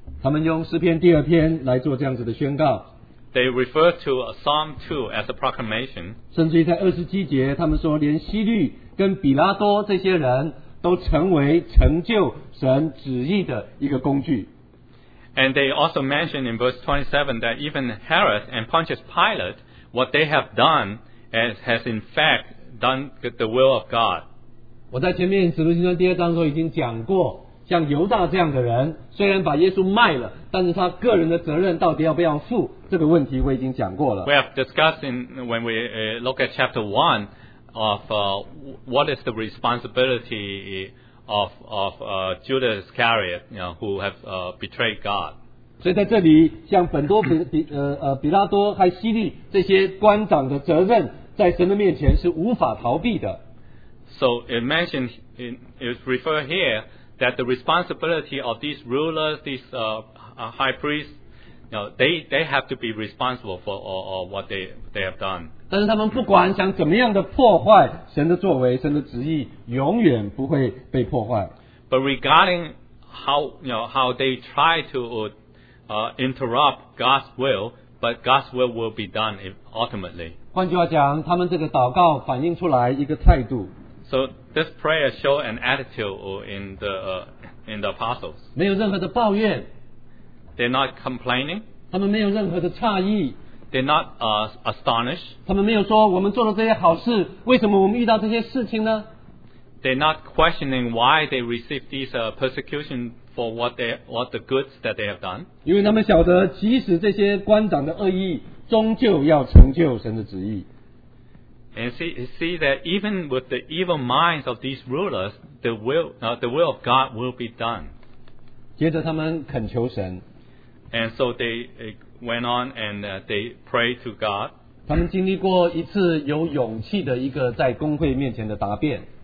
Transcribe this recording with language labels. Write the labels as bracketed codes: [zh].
[zh] 他们用诗篇第二篇来做这样子的宣告。 [en] They refer to Psalm 2 as a proclamation. [zh] 甚至于在27节，他们说连希律跟比拉多这些人。都成为成就神旨意的一个工具。 [en] And they also mention in verse 27 that even Herod and Pontius Pilate, what they have done has in fact done the will of God. [zh] 我在前面使徒行传第二章中已经讲过，像犹大这样的人，虽然把耶稣卖了，但是他个人的责任到底要不要负，这个问题我已经讲过了。 [en] We have discussed when we look at chapter 1,of what is the responsibility of Judas Iscariot, you know, who have betrayed God. [zh] 所以在这里，像本多比拉多还希律这些官长的责任，在神的面前是无法逃避的。 [en] So it mentioned it referred here that the responsibility of these rulers, these high priests, you know, they have to be responsible for all what they have done. [zh] 但是他们不管想怎么样的破坏神的作为，神的旨意永远不会被破坏。 [en] But regarding how they try to interrupt God's will, but God's will be done ultimately. [zh] 换句话讲，他们这个祷告反映出来一个态度。 [en] So this prayer show an attitude in the apostles. [zh] 没有任何的抱怨。 [en] They're not complaining. [zh] 他们没有任何的诧异。 [en] They're not astonished. [zh] 他们没有说我们做了这些好事，为什么我们遇到这些事情呢？ [en] They're not questioning why they received these persecution for what the goods that they have done. [zh] 因为他们晓得，即使这些官长的恶意，终究要成就神的旨意。 [en] And see that even with the evil minds of these rulers, the will of God will be done. [zh] 接着他们恳求神。 [en] And so they went on and they prayed to God. [zh] 他们经历过一次有勇气的一个在公会面前的答辩。